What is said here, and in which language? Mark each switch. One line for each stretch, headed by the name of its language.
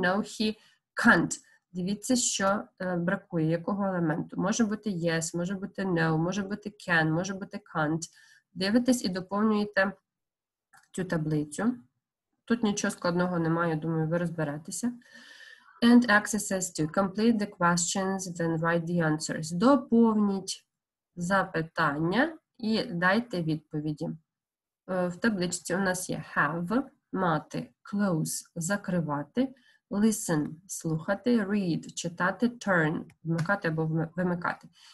English: No, he can't.
Ukrainian: Дивіться, що бракує, якого елементу. Може бути yes, може бути no, може бути can, може бути can't. Дивитесь і доповнюєте цю таблицю. Тут нічого складного немає, думаю, ви розберетеся.
English: And exercise to complete the questions, then write the answers.
Ukrainian: Доповніть запитання і дайте відповіді. В табличці у нас є have, мати, close, закривати, listen, слухати, read, читати, turn, вмикати або вимикати.